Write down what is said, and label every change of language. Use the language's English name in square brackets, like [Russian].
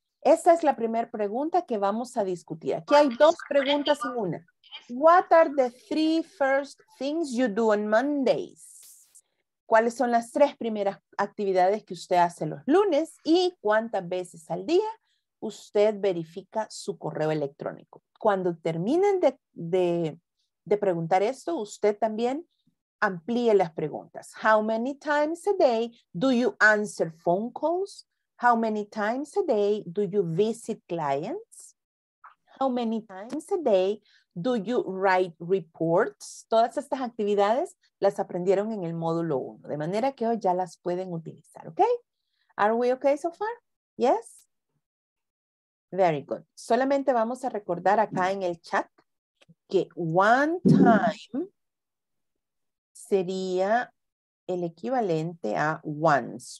[Spanish] Esa es la primera pregunta que vamos a discutir. Aquí hay dos preguntas en una. [English] What are the 3 first things you do on Mondays? [Spanish] ¿Cuáles son las 3 primeras actividades que usted hace los lunes? ¿Y cuántas veces al día usted verifica su correo electrónico? Cuando terminen de preguntar esto, usted también amplíe las preguntas. [English] How many times a day do you answer phone calls? How many times a day do you visit clients? How many times a day do you write reports? [Spanish] Todas estas actividades las aprendieron en el módulo 1, de manera que hoy ya las pueden utilizar, ¿okay? [English] Are we okay so far? Yes? Very good. [Spanish] Solamente vamos a recordar acá en el chat que one time sería el equivalente a once.